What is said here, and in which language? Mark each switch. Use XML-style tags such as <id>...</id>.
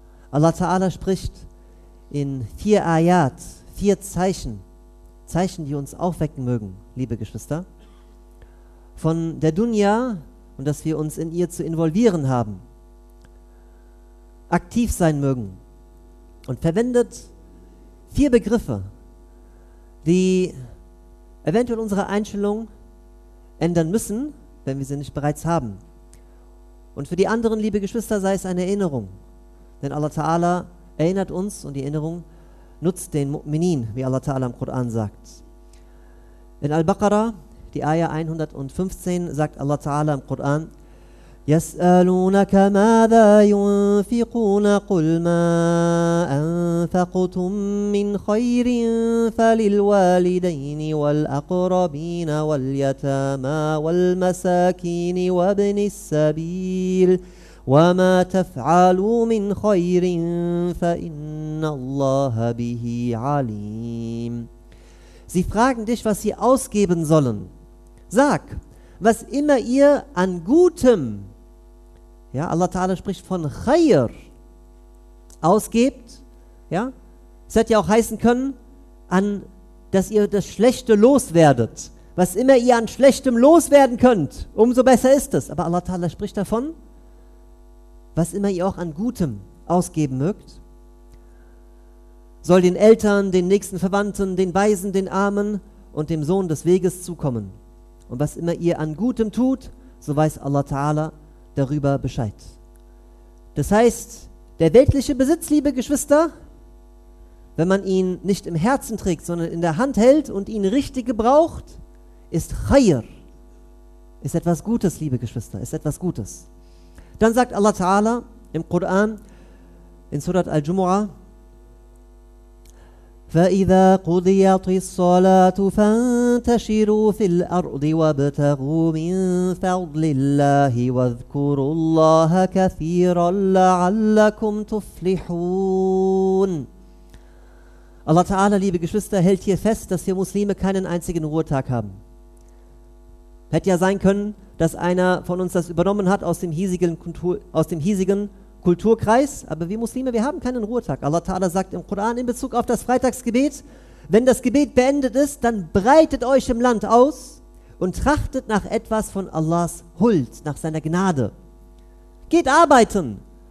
<de>Allah Ta'ala spricht in vier Ayat, vier Zeichen, Zeichen, die uns aufwecken mögen, liebe Geschwister, von der Dunya und dass wir uns in ihr zu involvieren haben, aktiv sein mögen, und verwendet vier Begriffe, die eventuell unsere Einstellung ändern müssen, wenn wir sie nicht bereits haben. Und für die anderen, liebe Geschwister, sei es eine Erinnerung. Denn Allah Ta'ala erinnert uns und die Erinnerung nutzt den Mu'minin, wie Allah Ta'ala im Koran sagt. In Al-Baqarah, die Aya 115, sagt Allah Ta'ala im Koran:</de> <ar>يَسْأَلُونَكَ مَاذَا يُنْفِقُونَ قُلْ مَا أَنْفَقْتُمْ مِنْ خَيْرٍ فَلِلْوَالِدَيْنِ وَالْأَقْرَبِينَ وَالْيَتَامَى وَالْمَسَاكِينِ وَابْنِ السَّبِيلِ وَمَا تَفْعَلُوا مِنْ خَيْرٍ فَإِنَّ اللَّهَ بِهِ عَلِيمٌ.</ar> <de>Sie fragen dich, was sie ausgeben sollen. Sag, was immer ihr an Gutem, ja, Allah Ta'ala spricht von Khayr, ausgebt, ja, es hätte ja auch heißen können, an, dass ihr das Schlechte loswerdet. Was immer ihr an Schlechtem loswerden könnt, umso besser ist es. Aber Allah Ta'ala spricht davon, was immer ihr auch an Gutem ausgeben mögt, soll den Eltern, den nächsten Verwandten, den Weisen, den Armen und dem Sohn des Weges zukommen. Und was immer ihr an Gutem tut, so weiß Allah Ta'ala darüber Bescheid. Das heißt, der weltliche Besitz, liebe Geschwister, wenn man ihn nicht im Herzen trägt, sondern in der Hand hält und ihn richtig gebraucht, ist Khayr. Ist etwas Gutes, liebe Geschwister, ist etwas Gutes. Dann sagt Allah Ta'ala im Koran, in Surat Al-Jumu'ah:</de> <ar>فَإِذَا قُضِيَتِ الصَّلَاةُ فَانْتَشِرُوا فِي الْأَرْضِ وَابْتَغُوا مِنْ فَضْلِ اللَّهِ وَاذْكُرُوا اللَّهَ كَثِيرًا لَعَلَّكُمْ تُفْلِحُونَ.</ar> <de>Allah Ta'ala, liebe Geschwister, hält hier fest, dass wir Muslime keinen einzigen Ruhetag haben. Hätte ja sein können, dass einer von uns das übernommen hat aus dem hiesigen Kulturkreis, aber wir Muslime, wir haben keinen Ruhetag. Allah Ta'ala sagt im Koran in Bezug auf das Freitagsgebet: Wenn das Gebet beendet ist, dann breitet euch im Land aus und trachtet nach etwas von Allahs Huld, nach seiner Gnade. Geht arbeiten!</de>